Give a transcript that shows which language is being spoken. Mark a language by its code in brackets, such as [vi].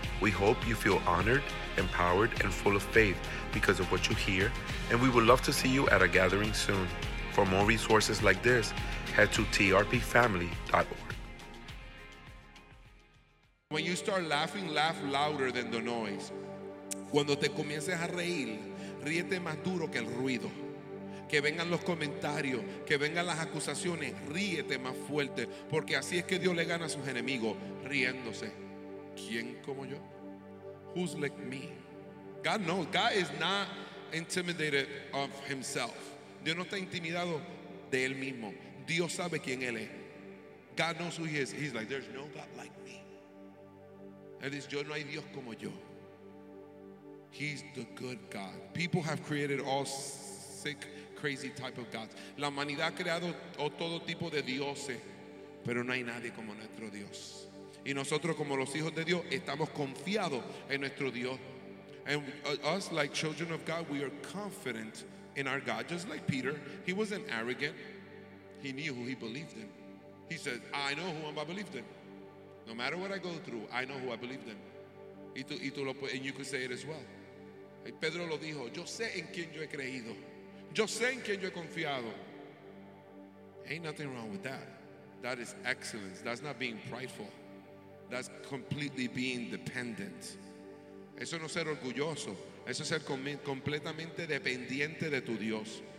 [en] We hope you feel honored, empowered, and full of faith because of what you hear, and we would love to see you at a gathering soon. For more resources like this, head to trpfamily.org. When you start laughing, laugh louder than the noise. [es] Cuando te comiences a reír, ríete más duro que el ruido. Que vengan los comentarios, que vengan las acusaciones, ríete más fuerte, porque así es que Dios le gana a sus enemigos, riéndose. ¿Quién como yo? [en] Who's like me? God knows. God is not intimidated of himself. [es] Dios no está intimidado de él mismo. Dios sabe quién él es. [en] God knows who he is. He's like, there's no God like me. That is, [es] yo no hay Dios como yo. [en] He's the good God. People have created all sick, crazy type of gods. [es] La humanidad ha creado todo tipo de dioses, pero no hay nadie como nuestro Dios. Y nosotros como los hijos de Dios estamos confiados en nuestro Dios. [en] And us, like children of God, we are confident in our God. Just like Peter, he wasn't arrogant. He knew who he believed in. He said, I know who I believed in. No matter what I go through, I know who I believed in. And you could say it as well. [es] Y Pedro lo dijo, yo sé en quién yo he creído. Yo sé en quién yo he confiado. [en] Ain't nothing wrong with that. That is excellence. That's not being prideful. That's completely being dependent. [es] Eso no ser orgulloso. Eso ser completamente dependiente de tu Dios.